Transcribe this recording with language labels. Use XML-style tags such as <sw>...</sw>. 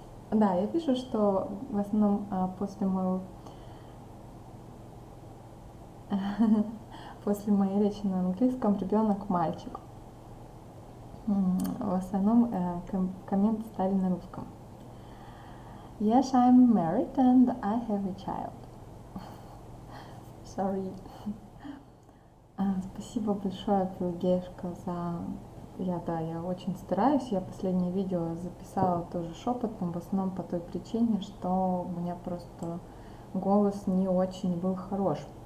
<ru>Да, я пишу, что в основном после моего После моей речи на английском ребенок мальчик. В основном комменты стали на русском.</ru> <en>Yes, I'm married and I have a child. Sorry.</en> <ru>Спасибо большое, Пелагеюшка, за... Я очень стараюсь. Я последнее видео записала тоже шепотом, в основном по той причине, что у меня просто голос не очень был хорош.</ru>